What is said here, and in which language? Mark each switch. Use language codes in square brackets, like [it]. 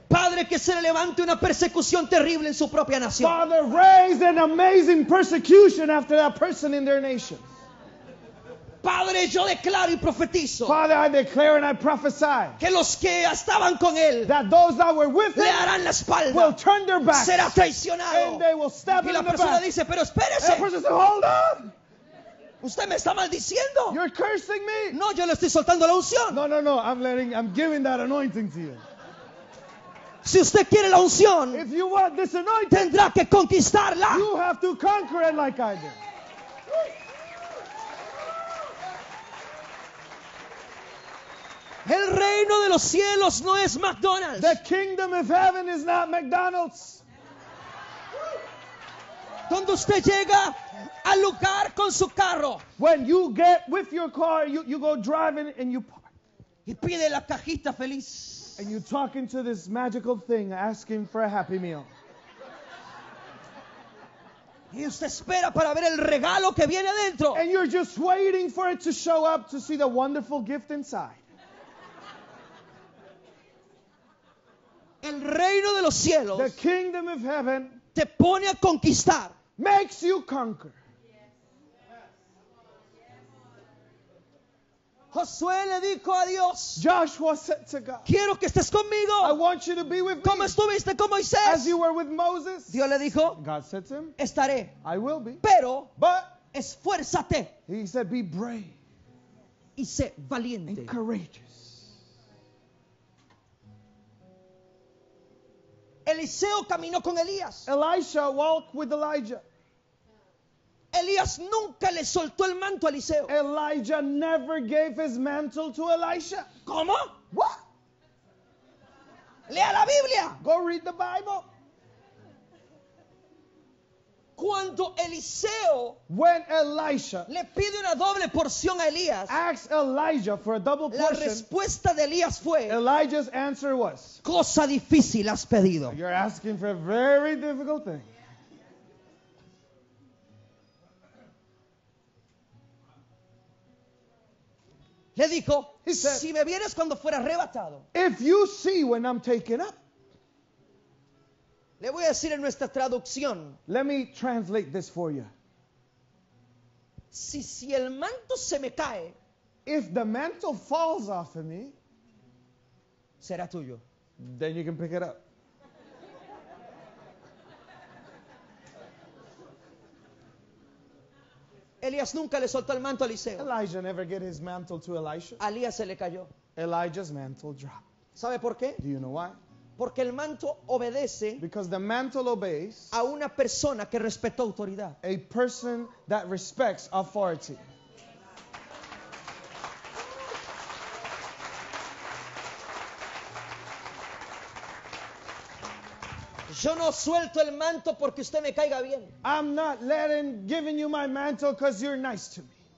[es] Padre, que se le levante una persecución terrible en su propia nación. [en] Father, raise an amazing persecution after that person in their nation. [es] Padre, yo declaro y profetizo. [en] Father, I declare and I prophesy. [es] Que los que estaban con él, [en] that those that were with [es] le harán la espalda. [en] Will turn their backs. [es] Será traicionado. [en] And they will stab [es] y la persona [en] the back. [es] Dice, pero espérese. [en] And the person says, hold on. [es] Usted me está maldiciendo. [en] You're cursing me. [es] No, yo le estoy soltando la unción. [en] No. I'm giving that anointing to you. [es] Si usted quiere la unción, [en] if you want this anointing, [es] tendrá que conquistarla. [en] You have to conquer it like I did. [es] El reino de los cielos no es McDonald's. [en] The kingdom of heaven is not McDonald's. [es] Donde usted llega al lugar con su carro. [en] When you get with your car, you go driving and you park. [es] Y pide la cajita feliz. [en] And you talk into this magical thing asking for a happy meal. [es] Y usted espera para ver el regalo que viene adentro. [en] And you're just waiting for it to show up to see the wonderful gift inside. [es] El reino de los cielos, [en] the kingdom of heaven, [es] te pone a conquistar, [en] makes you conquer. [es] Josué le dijo a Dios, [en] Joshua said to God, [es] quiero que estés conmigo. [en] I want you to be with me. [es] ¿Cómo estuviste con Moisés? [en] As you were with Moses. [es] Dios le dijo, [en] God said to him, [es] estaré. [en] I will be. [es] Pero, [en] but, [es] esfuérzate. [en] He said, be brave. [es] Y sé valiente. [en] And courageous. [es] Eliseo caminó con Elías. [en] Elisha walked with Elijah. [es] Elías nunca le soltó el manto a Eliseo. [en] Elijah never gave his mantle to Elisha. [es] ¿Cómo? [en] What? [es] Lea la Biblia. [en] Go read the Bible. [es] Cuando Eliseo, [en] when Elisha, [es] le pide una doble porción a Elías, [en] asks Elijah for a double portion, [es] la respuesta de Elías fue, [en] Elijah's answer was, [es] cosa difícil has pedido. [en] You're asking for a very difficult thing. [es] Le dijo, [en] he said, [es] si me vienes cuando fuera arrebatado, [en] if you see when I'm taken up, [es] le voy a decir en nuestra traducción. [en] Let me translate this for you. [es] Si el manto se me cae, [en] if the mantle falls off of me, [es] será tuyo. [en] Then you can pick it up. [es] Elías nunca le soltó el manto a Eliseo. [en] Elijah never gave his mantle to Elisha. [es] A Elías se le cayó. [en] Elijah's mantle dropped. [es] ¿Sabe por qué? [en] Do you know why? [es] Porque el manto obedece, [en] because the mantle obeys, [es] a una persona que respetó autoridad, [en] a person that respects authority. [es] Yo no suelto el manto porque usted me caiga bien. [en] I'm not letting giving you my mantle because you're nice to me.